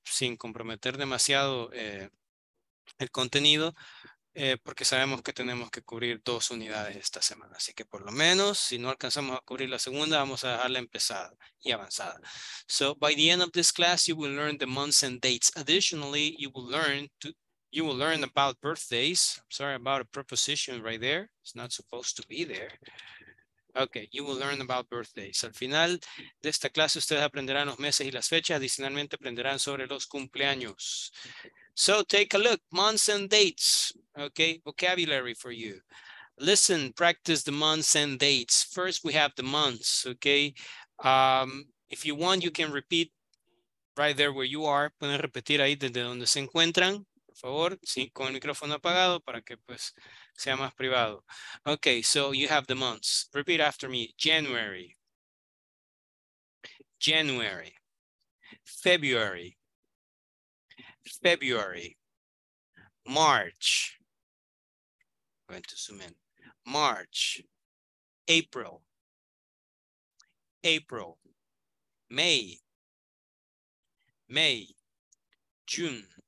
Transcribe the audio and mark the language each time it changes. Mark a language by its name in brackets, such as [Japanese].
[Spanish] Sin comprometer demasiado el contenido, porque sabemos que tenemos que cubrir dos unidades esta semana. Así que por lo menos, si no alcanzamos a cubrir la segunda, vamos a dejarla empezada y avanzada. [English] So, by the end of this class, you will learn the months and dates. Additionally, you will learn about birthdays. I'm sorry about a preposition right there. It's not supposed to be there. Okay, you will learn about birthdays. [Spanish] Al final de esta clase, ustedes aprenderán los meses y las fechas. Adicionalmente, aprenderán sobre los cumpleaños. [English] So take a look, months and dates, okay, vocabulary for you. Listen, practice the months and dates. First, we have the months, okay? If you want, you can repeat right there where you are. [Spanish] Pueden repetir ahí desde donde se encuentran, por favor, sí, con el micrófono apagado para que pues sea más privado. [English] Okay, so you have the months. Repeat after me, January. January. February. February, March, going to zoom in, March, April, April, May, May, June,